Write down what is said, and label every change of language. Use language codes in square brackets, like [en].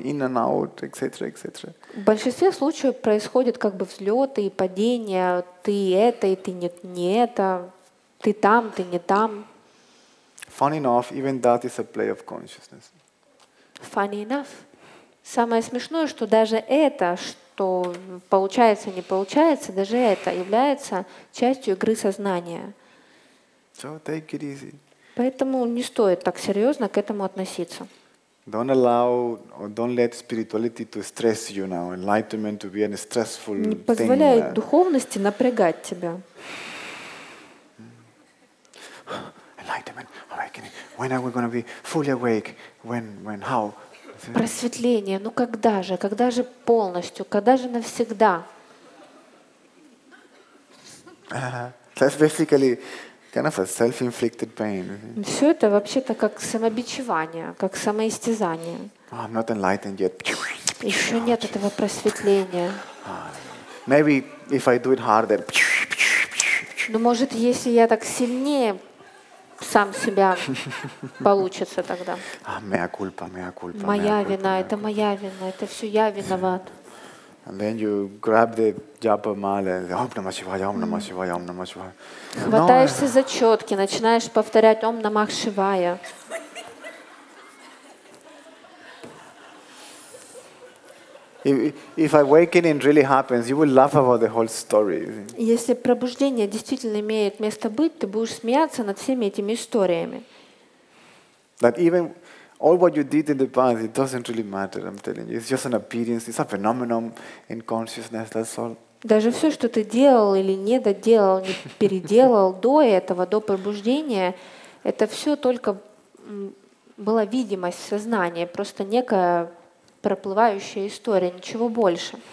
[ru] В большинстве случаев происходит как бы взлеты и падения, ты это и ты не это, ты там, ты не там. [en] Funny enough, even that is a play of consciousness. Funny enough. [ru] Самое смешное, что даже это, что получается, не получается, даже это является частью игры сознания. [en] So take it easy. [ru] Поэтому не стоит так серьезно к этому относиться. [en] Don't allow or don't let spirituality to stress you now. Enlightenment to be a stressful thing. [ru] Не позволяй духовности напрягать тебя. [en] Enlightenment, awakening. When are we going to be fully awake? When? How? [ru] Просветление, ну когда же? Когда же полностью? Когда же навсегда? [en] That's basically kind of a self-inflicted pain. [ru] Все это вообще-то как самобичевание, как самоистязание. [en] Oh, I'm not enlightened yet. [ru] Еще нет этого просветления. [en] Maybe if I do it harder. [ru] Ну, может, если я так сильнее сам себя получится тогда. [la] А, mea culpa, mea culpa. [ru] Моя вина, это моя вина, это все я виноват. [en] And then you grab the japa mala, [sa] Om Namah Shivaya, Om Namah Shivaya, [en] Om Namah Shivaya. [ru] Хватаешься за четки, начинаешь повторять [sa] Om Namah Shivaya. [en] If awakening really happens, you will laugh about the whole story. [ru] Если пробуждение действительно имеет место быть, ты будешь смеяться над всеми этими историями. [en] That even all what you did in the past, it doesn't really matter. I'm telling you, it's just an appearance. It's a phenomenon in consciousness. That's all. [ru] Даже все, что ты делал или не доделал, не переделал до этого, до пробуждения, это все только была видимость сознания, просто некая проплывающая история, ничего больше.